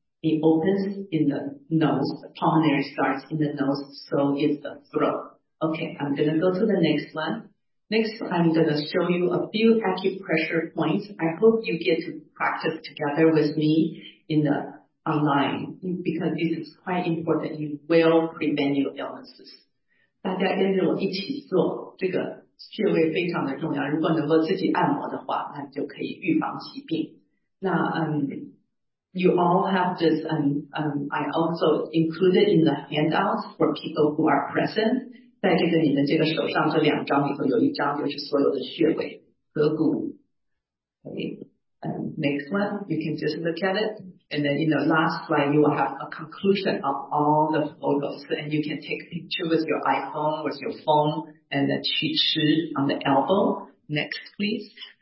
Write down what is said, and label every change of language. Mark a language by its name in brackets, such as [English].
[English] It opens in the nose. The pulmonary starts in the nose, so is the throat. Okay, I'm going to go to the next one. Next, I'm going to show you a few acupressure points. I hope you get to practice together with me in the online, because this is quite important. It will prevent your illnesses. [Chinese] 大家跟着我一起做这个穴位非常的重要，如果能够自己按摩的话，那就可以预防疾病。 [English] 那you all have this, I also included in the handouts for people who are present. [Chinese] 在这个你的这个手上这两张里头，有一张就是所有的穴位，合谷。 [English] Okay, next one, you can just look at it. And then in the last slide, you will have a conclusion of all the photos. And you can take a picture with your iPhone, with your phone. And the qi shi on the elbow. Next, please.